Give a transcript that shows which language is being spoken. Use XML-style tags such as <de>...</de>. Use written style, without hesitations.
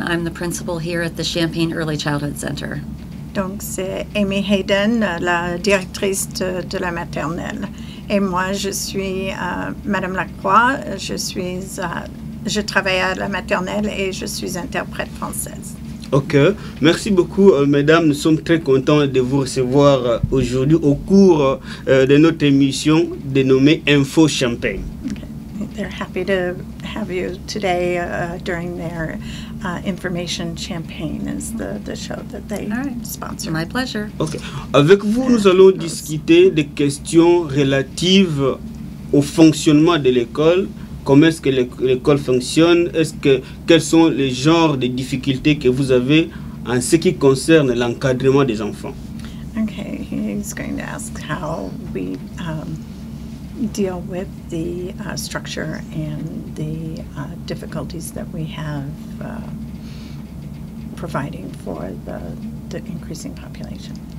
<en>I'm the principal here at the Champaign Early Childhood Center.</en> <fr>Donc, c'est Amy Hayden, la directrice de la maternelle. Et moi, je suis Madame Lacroix. Je travaille à la maternelle et je suis interprète française. Ok, merci beaucoup mesdames, nous sommes très contents de vous recevoir aujourd'hui au cours de notre émission dénommée Info Champaign.</fr> <en>Okay. They're happy to have you today during their Information Champaign is the show that they sponsor. My pleasure.</en> <fr>Ok, avec vous nous allons discuter des questions relatives au fonctionnement de l'école. Comment est-ce que l'école fonctionne? Quels sont les genres de difficultés que vous avez en ce qui concerne l'encadrement des enfants?</fr> <en>Okay, he's going to ask how we deal with the structure and the difficulties that we have providing for the increasing population.</en>